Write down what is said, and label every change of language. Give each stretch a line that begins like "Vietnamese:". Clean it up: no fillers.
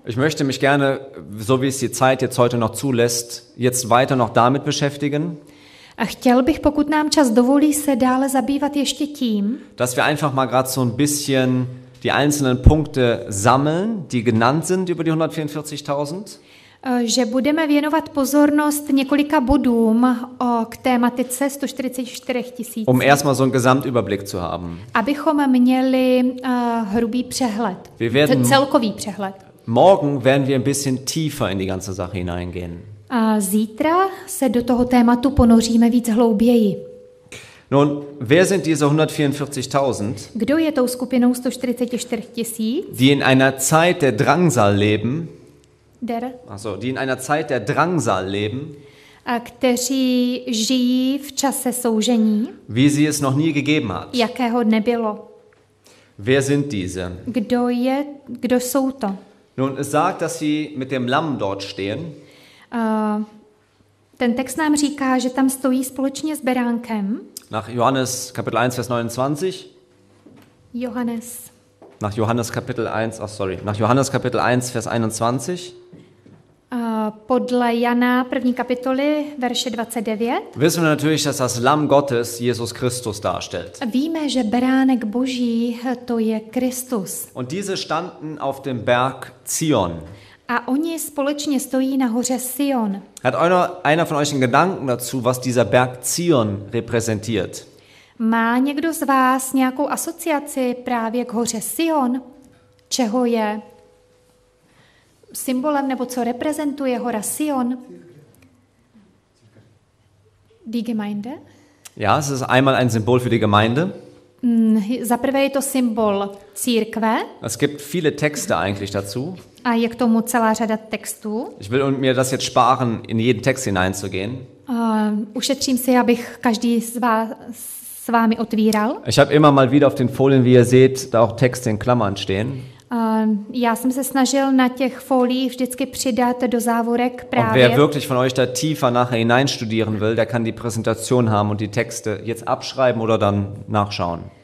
German: Ich möchte mich gerne, so wie es die Zeit jetzt heute noch zulässt, jetzt weiter noch damit beschäftigen.
Czech: A chtěl bych, pokud nám čas dovolí, se dále zabývat ještě tím,
German: dass wir einfach mal gerade so ein bisschen die einzelnen Punkte sammeln, die genannt sind über die 144.000.
Czech: Že budeme věnovat pozornost několika bodům k tématice 144 tisíc.
German: Um erstmal so einen Gesamtüberblick zu haben.
Czech: Abychom měli hrubý přehled. Celkový přehled.
German: Morgen werden wir ein bisschen tiefer in die ganze Sache hineingehen.
Czech: A zítra se do toho tématu ponoříme víc hlouběji.
German: Nun, wer sind diese 144.000?
Czech: Kdo je tou skupinou 144 tisíc?
German: Die in einer Zeit der Drangsal leben. Der. Also, die in einer Zeit der Drangsal leben.
Czech: A kteří žijí v čase soužení.
German: Wie sie es noch nie gegeben hat.
Czech: Jakého nebylo.
German: Wer sind diese?
Czech: Kdo jsou to?
German: Nun, es sagt, dass sie mit dem Lamm dort stehen.
Czech: Ten text nám říká, že tam stojí společně s beránkem.
German: Nach Johannes Kapitel 1 Vers 29. Johannes. Nach Johannes Kapitel 1, oh sorry, nach Johannes Kapitel 1 Vers 21.
Czech: Podle Jana 1. kapitoly verše 29.
German: Wissen wir natürlich, dass das Lamm Gottes Jesus Christus darstellt.
Czech: Víme, že beránek Boží to je Kristus.
German: Und diese standen auf dem Berg Zion.
Czech: A oni společně stojí na hoře Sion.
German: Hat einer von euch einen Gedanken dazu, was dieser Berg Zion repräsentiert?
Czech: Má někdo z vás nějakou asociaci právě k hoře Sion? Čeho je symbolem nebo co reprezentuje hora Sion?
German: Die Gemeinde? Ja, es ist einmal ein Symbol für die Gemeinde.
Czech: Za prvé je to symbol církve.
German: Es gibt viele Texte eigentlich dazu.
Czech: A je k tomu celá řada textů.
German: Ich will mir das jetzt sparen, in jeden Text hineinzugehen.
Czech: Ušetřím si, abych každý z vás s vámi otvíral.
German: Ich habe immer mal wieder auf den Folien, wie ihr seht, da auch Texte in Klammern stehen.
Czech: Já jsem se snažil na těch fóliích vždycky přidat do závorek právě.
German: Und wer wirklich von euch da tiefer nachher hineinstudieren will, der kann die Präsentation haben und die Texte jetzt abschreiben oder dann nachschauen.